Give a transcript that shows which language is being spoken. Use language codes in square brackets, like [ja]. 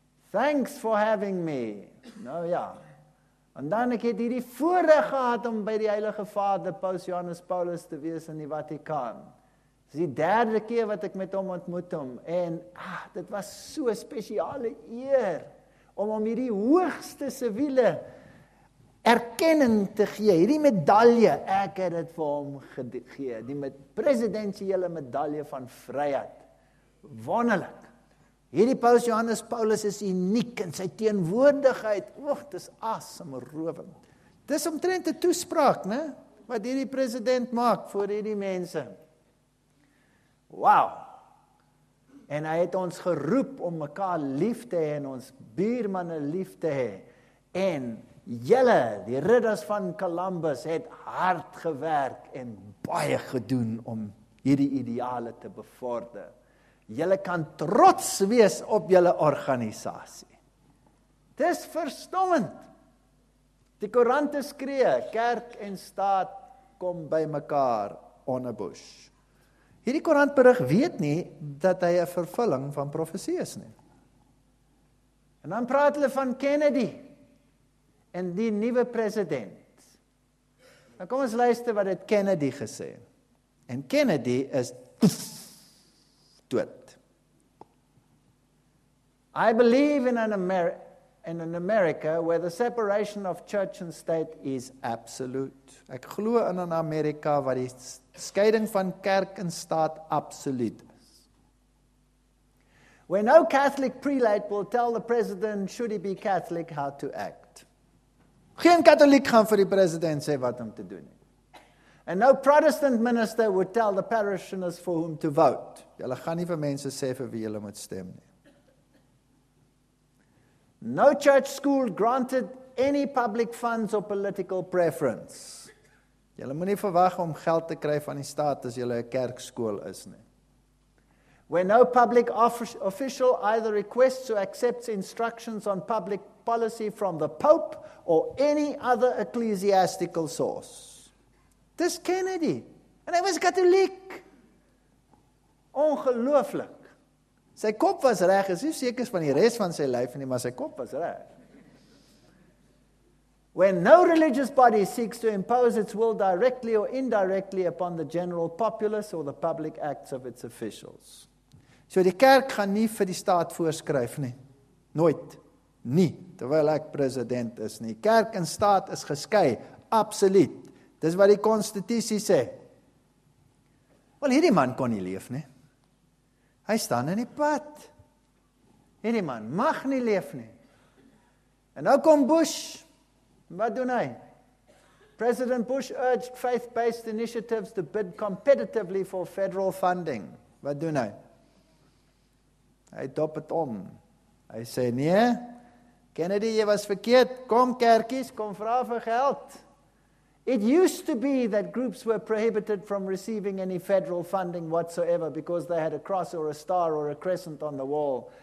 [en] Thanks for having me. [af] Nou ja. En dan ek het hierdie voorreg gehad om by die Heilige Vader Paus Johannes Paulus te wees in die Vatikaan. Dit is die derde keer wat ek met hom ontmoet hom. En ah, dit was so 'n spesiale eer om hom hierdie hoogste siviele erkenning te gee. Hierdie medalje, ek het dit vir hom gegee. Die presidentiële medalje van vryheid. Wonderlik. Hierdie paus Johannes Paulus is uniek in sy teenwoordigheid. Oog, dis asemrowend. Dis omtrent 'n toespraak, ne? Wat hierdie president maak vir hierdie mense. Wow! En hy het ons geroep om mekaar lief te hê en ons buurmanne lief te hê. En julle, die ridders van Columbus, het hard gewerk en baie gedoen om hierdie ideale te bevorder. Julle kan trots wees op julle organisasie. Dis verstommend. Die koerante skree, kerk en staat kom by mekaar onder Bush. Hierdie koerantberig weet nie dat hy 'n vervulling van profesie is nie. En dan praat hulle van Kennedy en die nuwe president. Nou kom ons luister wat het Kennedy gesê. En Kennedy is dood. [en] I believe in an America where the separation of church and state is absolute. [af] Ek glo in 'n Amerika waar die skeiding van kerk en staat absoluut is. [en] Where no Catholic prelate will tell the president should he be Catholic how to act. [af] Geen Katoliek gaan vir die president sê wat om te doen nie. [en] And no Protestant minister would tell the parishioners for whom to vote. [af] Hulle gaan nie vir mense sê vir wie hulle moet stem nie. [en] No church school granted any public funds or political preference. [af] Julle moenie verwag om geld te kry van die staat as julle 'n kerkskool is nie. [en] When no public official either requests or accepts instructions on public policy from the Pope or any other ecclesiastical source. [af] Dis Kennedy. En hy was Katoliek. Ongelooflik. Sy kop was reg, is nie seker van die res van sy lyf nie, maar sy kop was reg. [en] When no religious body seeks to impose its will directly or indirectly upon the general populace or the public acts of its officials. [af] So die kerk gaan nie vir die staat voorskryf nie. Nooit. Nie. Terwyl ek president is nie. Kerk en staat is geskei. absoluut. Dis wat die konstitusie sê. Wel, hierdie man kon nie leef nie. Hy staan in die pad. Hierdie man mag nie leef nie. En nou kom Bush. Wat doen hy? [en] President Bush urged faith-based initiatives to bid competitively for federal funding. [af] Wat doen hy? Hy dop het om. Hy sê, nee, Kennedy, jy was verkeerd. Kom kerkies, kom vra vir geld. [en] It used to be that groups were prohibited from receiving any federal funding whatsoever because they had a cross or a star or a crescent on the wall.